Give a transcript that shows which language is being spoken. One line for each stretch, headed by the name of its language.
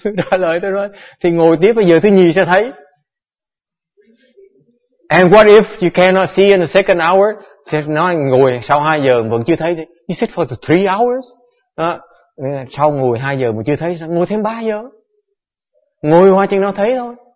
Vietnamese: Trả lời tôi nói thì ngồi tiếp bây giờ thứ nhì sẽ thấy.
English: And what if you cannot see in the second hour?
Vietnamese: Thì nói ngồi sau 2 giờ vẫn chưa thấy.
English: You sit for the 3 hours.
Vietnamese: Sau ngồi 2 giờ mà chưa thấy, ngồi thêm 3 giờ. Ngồi hoa chừng nó thấy thôi.